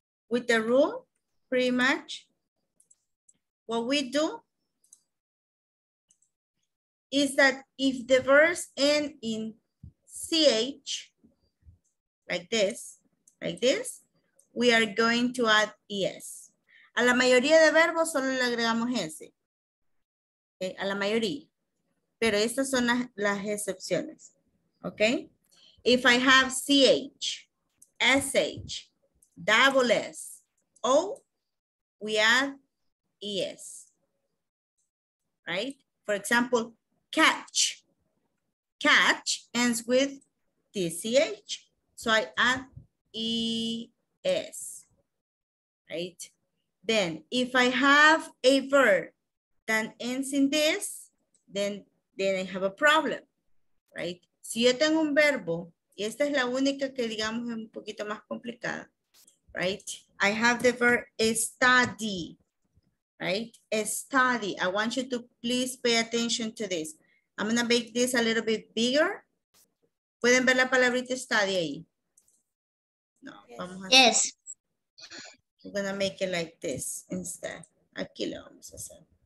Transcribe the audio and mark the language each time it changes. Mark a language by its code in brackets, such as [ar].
[en] With the rule, pretty much, what we do is that if the verbs end in CH, like this, we are going to add ES. [es] A la mayoría de verbos solo le agregamos S. Okay? A la mayoría. Pero estas son las excepciones. Okay? [en] If I have CH, SH, double S, O, we add ES. Right? For example, catch. Catch ends with TCH. So I add ES, right? Then if I have a verb that ends in this, then I have a problem, right? [es] Si yo tengo un verbo, y esta es la única que digamos es un poquito más complicada, right? [en] I have the verb study, right? Study. I want you to please pay attention to this. I'm gonna make this a little bit bigger. [es] ¿Pueden ver la palabrita study ahí? No, [en] yes. I'm gonna make it like this instead. [es] Aquí lo vamos a hacer.